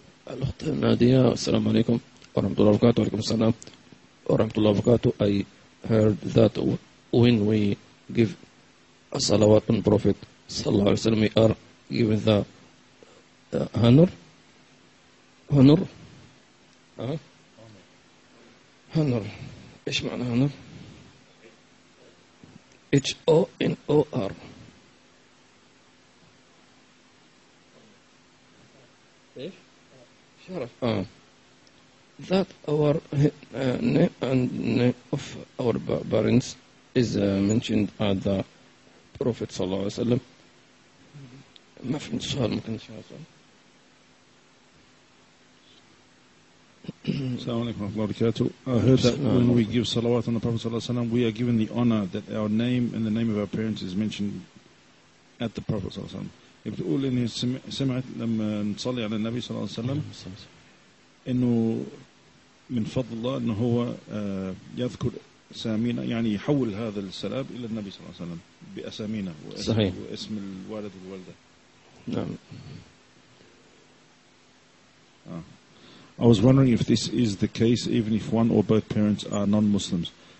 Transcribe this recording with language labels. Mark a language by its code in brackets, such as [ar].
[ar] الأخت نادية، السلام عليكم ورحمة الله وبركاته. وعليكم السلام ورحمة الله وبركاته. [en] I heard that when we give a salawat on Prophet [ar] صلى الله عليه وسلم [en] we are given the honor. [ar] إيش معنى honor؟ H-O-N-O-R. إيش؟ شرف. [en] That our name and name of our parents is mentioned at the Prophet [ar] صلى الله عليه وسلم. ما في سؤال ممكن شاء الله. السلام عليكم ورحمة الله وبركاته. [en] I heard that when we give salawat on the Prophet [ar] صلى الله عليه وسلم, [en] we are given the honor that our name and the name of our parents is mentioned at the Prophet صلى الله عليه وسلم. [ar] بتقول إني سمعت لما نصلي على النبي صلى الله عليه وسلم إنه من فضل الله إنه هو يذكر سامينا، يعني يحول هذا السلام إلى النبي صلى الله عليه وسلم بأسامينا واسم الوالد والوالدة. نعم. [en] I was wondering if this is the case even if one or both parents are non-Muslims.